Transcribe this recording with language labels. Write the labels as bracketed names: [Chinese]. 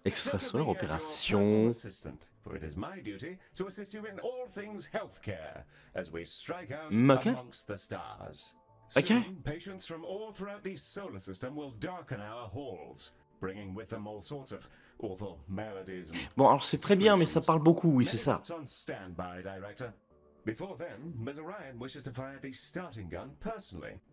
[English] Extrasolar opérations. Assistant, for it is my duty to assist you in all things healthcare as we strike out amongst the stars. Soon, patients from all throughout the solar system will darken our halls, bringing with them all sorts of awful maladies. [French] Bon, alors c'est très bien, mais ça parle beaucoup, oui, c'est ça. [English] Medics on standby, Director. Before then, Ms. Orion wishes to fire the starting gun personally.